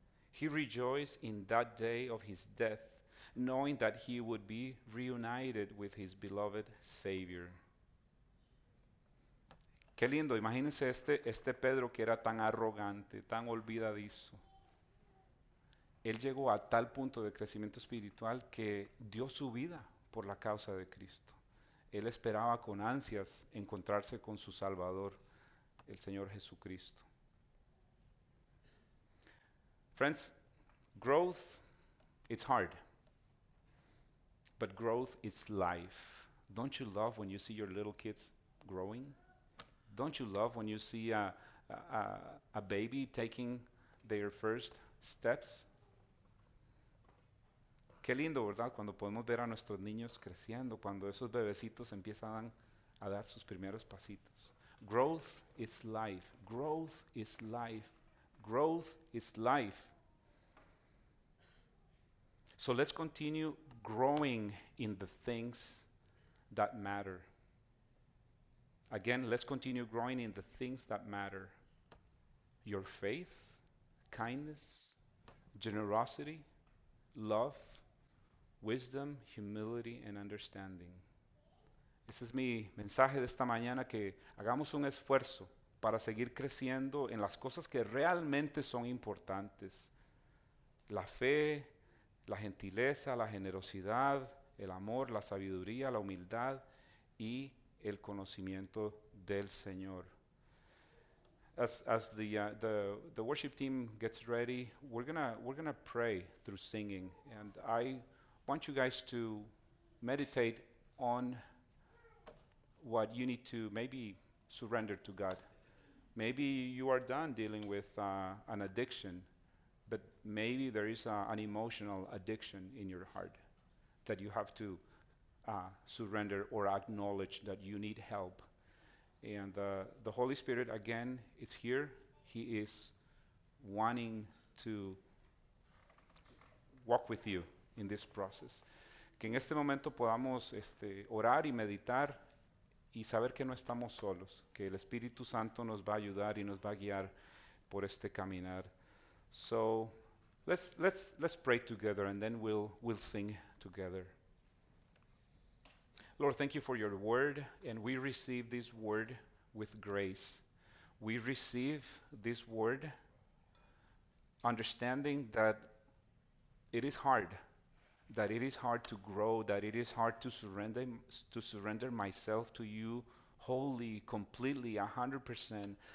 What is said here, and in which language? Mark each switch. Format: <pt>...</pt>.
<en>He rejoiced in that day of his death, knowing that he would be reunited with his beloved Savior.</en> <es>Qué lindo, imagínense este Pedro que era tan arrogante, tan olvidadizo. Él llegó a tal punto de crecimiento espiritual que dio su vida por la causa de Cristo. Él esperaba con ansias encontrarse con su Salvador, el Señor Jesucristo.</es> <en>Friends, growth, it's hard, but growth is life. Don't you love when you see your little kids growing? Don't you love when you see a baby taking their first steps?</en> <es>Qué lindo, ¿verdad? Cuando podemos ver a nuestros niños creciendo, cuando esos bebecitos empiezan a dar sus primeros pasitos.</es> <en>Growth is life. Growth is life. Growth is life. So let's continue growing in the things that matter. Again, let's continue growing in the things that matter. Your faith, kindness, generosity, love, wisdom, humility, and understanding.</en> <es>Ese es mi mensaje de esta mañana, que hagamos un esfuerzo para seguir creciendo en las cosas que realmente son importantes. La fe, la gentileza, la generosidad, el amor, la sabiduría, la humildad y el conocimiento del Señor.</es> <en>As the worship team gets ready, we're gonna pray through singing. And I want you guys to meditate on what you need to maybe surrender to God. Maybe you are done dealing with an addiction, but maybe there is an emotional addiction in your heart that you have to surrender or acknowledge that you need help. And the Holy Spirit, again, is here. He is wanting to walk with you in this process.</en> <es>que en este momento podamos orar y meditar y saber que no estamos solos, que el Espíritu Santo nos va a ayudar y nos va a guiar por este caminar.</es> <en>So let's pray together and then we'll sing together. Lord, thank you for your word, and we receive this word with grace. We receive this word understanding that it is hard, that it is hard to grow, that it is hard to surrender myself to you wholly, completely, 100%.</en>